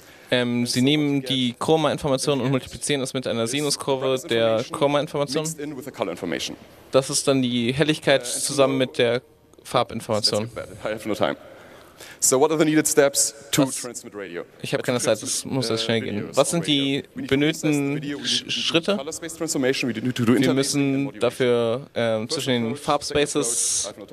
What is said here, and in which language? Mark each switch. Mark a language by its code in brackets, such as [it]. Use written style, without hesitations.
[de] Sie nehmen die Chroma-Information und multiplizieren es mit einer Sinuskurve der Chroma-Information. Das ist dann die Helligkeit zusammen mit der Farbinformation. [en] So what are the needed steps to transmit radio? [de] Ich habe keine Zeit, das muss jetzt schnell gehen. Was sind die benötigten Schritte? Wir müssen dafür zwischen den Farbspaces.